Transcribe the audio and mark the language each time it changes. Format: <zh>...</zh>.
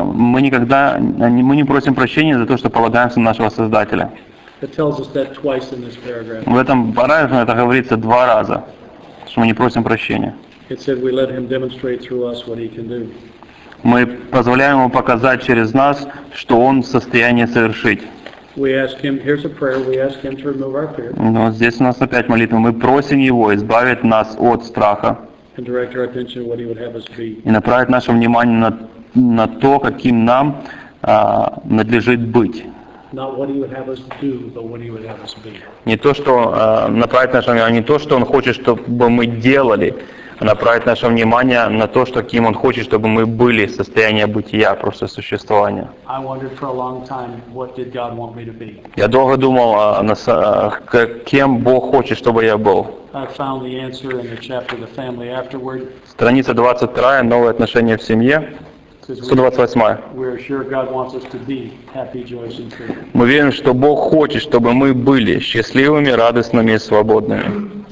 <ru>Мы не просим прощения за то, что полагаемся на нашего Создателя.</ru> <en>It tells us that twice in this paragraph.</en> <ru>В этом параграфе это говорится два раза, что мы не просим прощения.</ru> <en>It said we let Him demonstrate through us what He can do.</en> <ru>Мы позволяем Ему показать через нас, что Он в состоянии совершить.</ru> <en>We ask Him. Here's a prayer. We ask Him to remove our fear.</en> <ru>Но здесь у нас опять молитва. Мы просим Его избавить нас от страха.</ru> <en>And direct our attention to what He would have us be.</en> <ru>И направить наше внимание на то, каким нам надлежит быть.</ru> <en>Not what He would have us do, but what He would have us be.</en> <ru>Не то, что направить наше внимание, а не то, что Он хочет, чтобы мы делали, а направить наше внимание на то, что каким Он хочет, чтобы мы были, состояние бытия, просто существования.</ru> <en>I wondered for a long time, what did God want me to be?</en> <ru>Я долго думал, кем Бог хочет, чтобы я был.</ru> <en>I found the answer in the chapter, the family afterward.</en> <ru>Страница 22, новые отношения в семье.</ru> <en>128.</en> <ru>Мы верим, что Бог хочет, чтобы мы были счастливыми, радостными и свободными.</ru>